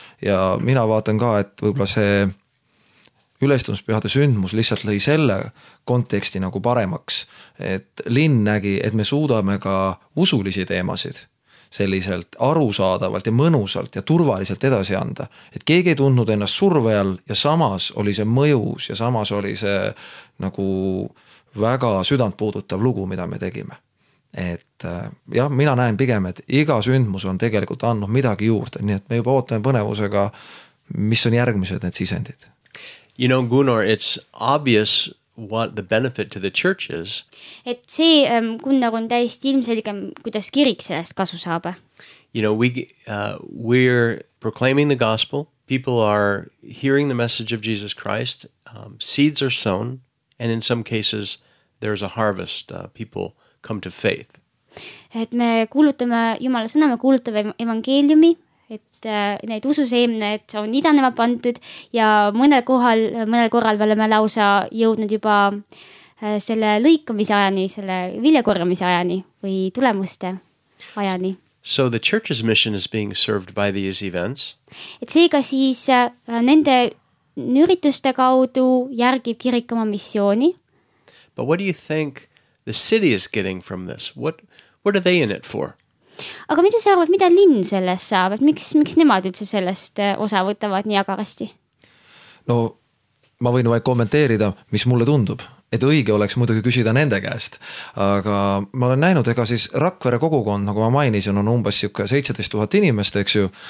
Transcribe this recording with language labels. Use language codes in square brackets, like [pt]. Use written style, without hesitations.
[et] Ja mina vaatan ka, et võib-olla see ülestumispühade sündmus lihtsalt lõi selle konteksti nagu paremaks, et linn nägi, et me suudame ka usulisi teemasid selliselt arusaadavalt ja mõnusalt ja turvaliselt edasi anda, et keegi ei tundnud ennast survejal ja samas oli see mõjus ja samas oli see nagu väga südant puudutav lugu, mida me tegime. Et ja mina näen pigem, et iga sündmus on tegelikult annud midagi juurde, nii et me juba ootame põnevusega, mis on järgmised need sisendid. [en] You know, Gunnar, it's obvious what the benefit to the church is. [et] Et see, Gunnar, on täiesti ilmselge, kuidas kirik sellest kasu saab. [en] You know, we're proclaiming the gospel. People are hearing the message of Jesus Christ. Seeds are sown, and in some cases, there's a harvest. People come to faith. [et] Et me kuulutame, Jumala sõna, me kuulutame evangeeliumi. Et need ususeemned on idanema pandud ja mõnel korral oleme lausa jõudnud juba selle lõikamise ajani, selle viljakorramise ajani või tulemuste ajani. [en] So the church's mission is being served by these events. [et] Et seega siis nende ürituste kaudu järgib kirik oma missiooni. [en] But what do you think the city is getting from this? What are they in it for? [et] Aga mida sa arvad, mida linn sellest saab? Et miks nemad üldse sellest osa võtavad nii agarasti? No, ma võin vaid kommenteerida, mis mulle tundub. Et õige oleks muidugi küsida nende käest. Aga ma olen näinud, ega siis Rakvere kogukond, nagu ma mainisin, on umbes 17 000 inimest, eks ju.